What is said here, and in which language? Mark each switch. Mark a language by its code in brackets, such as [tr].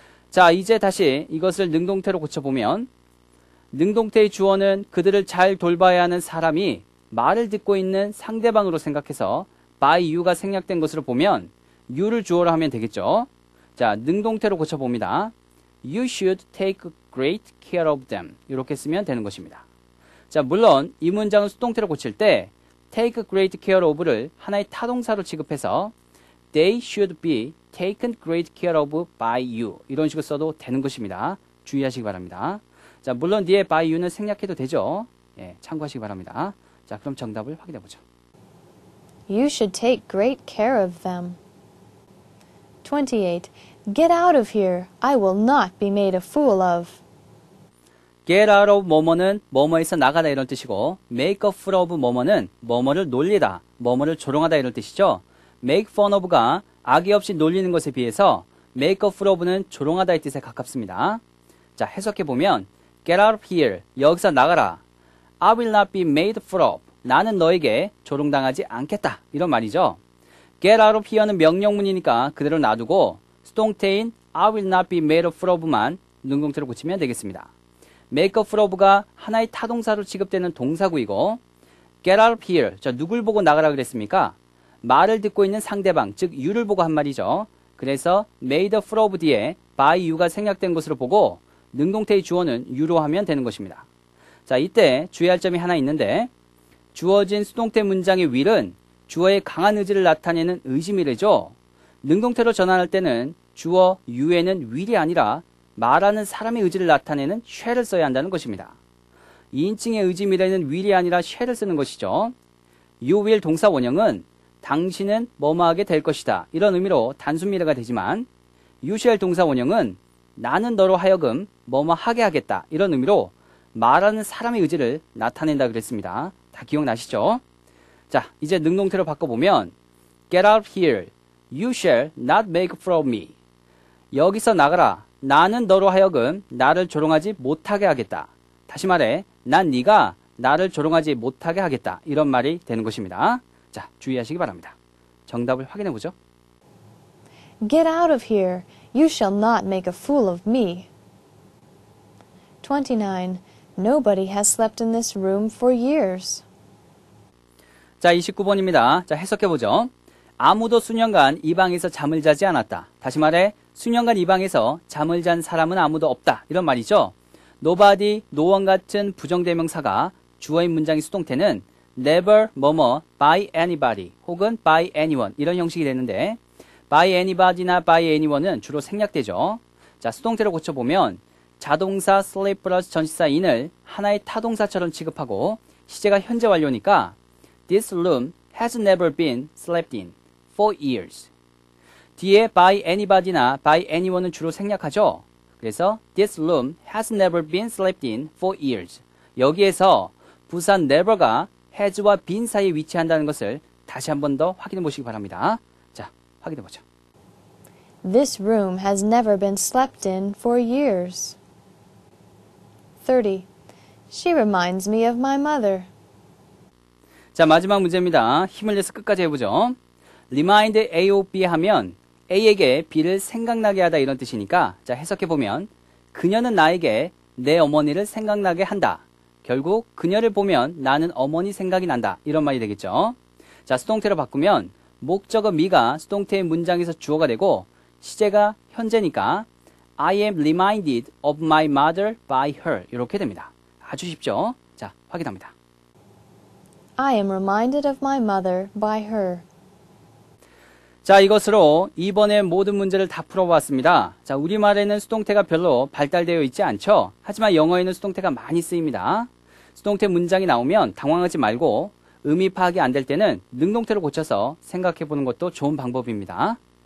[ko] 자, 이제 다시 이것을 능동태로 고쳐보면 능동태의 주어는 그들을 잘 돌봐야 하는 사람이 말을 듣고 있는 상대방으로 생각해서 by you가 생략된 것으로 보면 you를 주어로 하면 되겠죠. 자, 능동태로 고쳐봅니다. [en] You should take great care of them. [ko] 이렇게 쓰면 되는 것입니다. 자, 물론 이 문장은 수동태로 고칠 때 take great care of를 하나의 타동사로 취급해서 [en] they should be taken great care of by you. [ko] 이런 식으로 써도 되는 것입니다. 주의하시기 바랍니다. 자, 물론 뒤에 by you는 생략해도 되죠. 예, 참고하시기 바랍니다. 자, 그럼 정답을 확인해 보죠. [en] You should take great care of them. 28. Get out of here. I will not be made a fool of. [ko] Get out of 뭐뭐는 뭐뭐에서 나가다 이런 뜻이고 make a fool of 뭐뭐는 뭐뭐를 놀리다, 뭐뭐를 조롱하다 이런 뜻이죠. Make fun of가 악의 없이 놀리는 것에 비해서 make a fool of는 조롱하다의 뜻에 가깝습니다. 자, 해석해보면 [en] get out of here, [ko] 여기서 나가라. [en] I will not be made a fool of. [ko] 나는 너에게 조롱당하지 않겠다. 이런 말이죠. Get out of here는 명령문이니까 그대로 놔두고 수동태인 [en] I will not be made a fool of [ko] 만 능동태로 고치면 되겠습니다. Make a fool of가 하나의 타동사로 취급되는 동사구이고 [en] get out of here, [ko] 자, 누굴 보고 나가라 그랬습니까? 말을 듣고 있는 상대방, 즉 you를 보고 한 말이죠. 그래서 made a fool of 뒤에 by you가 생략된 것으로 보고 능동태의 주어는 you로 하면 되는 것입니다. 자, 이때 주의할 점이 하나 있는데 주어진 수동태 문장의 will은 주어의 강한 의지를 나타내는 의지미래죠. 능동태로 전환할 때는 주어 you에는 will이 아니라 말하는 사람의 의지를 나타내는 shall을 써야 한다는 것입니다. 2인칭의 의지미래는 will이 아니라 shall을 쓰는 것이죠. You will 동사 원형은 당신은 뭐뭐하게 될 것이다 이런 의미로 단순 미래가 되지만 you shall 동사 원형은 나는 너로 하여금 뭐뭐하게 하겠다 이런 의미로 말하는 사람의 의지를 나타낸다 그랬습니다. 다 기억나시죠? 자, 이제 능동태로 바꿔보면 [en] get out of here. You shall not make fool of me. [ko] 여기서 나가라. 나는 너로 하여금 나를 조롱하지 못하게 하겠다. 다시 말해 난 네가 나를 조롱하지 못하게 하겠다. 이런 말이 되는 것입니다. 자, 주의하시기 바랍니다. 정답을 확인해 보죠. [en] Get out of here. You shall not make a fool of me. 29. Nobody has slept in this room for years. [ko] 자, 29번입니다. 자, 해석해 보죠. 아무도 수년간 이 방에서 잠을 자지 않았다. 다시 말해 수년간 이 방에서 잠을 잔 사람은 아무도 없다. 이런 말이죠. Nobody, no one 같은 부정대명사가 주어인 문장의 수동태는 never, 뭐뭐, by anybody 혹은 by anyone 이런 형식이 되는데 by anybody나 by anyone은 주로 생략되죠. 자, 수동태로 고쳐보면 자동사 sleep plus 전치사 in을 하나의 타동사처럼 취급하고 시제가 현재 완료니까 [en] this room has never been slept in for years. [ko] 뒤에 by anybody나 by anyone은 주로 생략하죠. 그래서 [en] this room has never been slept in for years. [ko] 여기에서 부산 never가 has와 been 사이에 위치한다는 것을 다시 한 번 더 확인해 보시기 바랍니다. 자, 확인해 보죠. [en] This room has never been slept in for years. 30. She reminds me of my mother. [ko] 자, 마지막 문제입니다. 힘을 내서 끝까지 해보죠. Remind A of B 하면 A에게 B를 생각나게 하다 이런 뜻이니까 자, 해석해보면 그녀는 나에게 내 어머니를 생각나게 한다. 결국 그녀를 보면 나는 어머니 생각이 난다. 이런 말이 되겠죠. 자, 수동태로 바꾸면 목적어 me가 수동태의 문장에서 주어가 되고 시제가 현재니까 [en] I am reminded of my mother by her. [ko] 이렇게 됩니다. 아주 쉽죠? 자, 확인합니다. [en] I am reminded of my mother by her. [ko] 자, 이것으로 이번에 모든 문제를 다 풀어보았습니다. 자, 우리말에는 수동태가 별로 발달되어 있지 않죠? 하지만 영어에는 수동태가 많이 쓰입니다. 수동태 문장이 나오면 당황하지 말고 의미 파악이 안 될 때는 능동태를 고쳐서 생각해 보는 것도 좋은 방법입니다.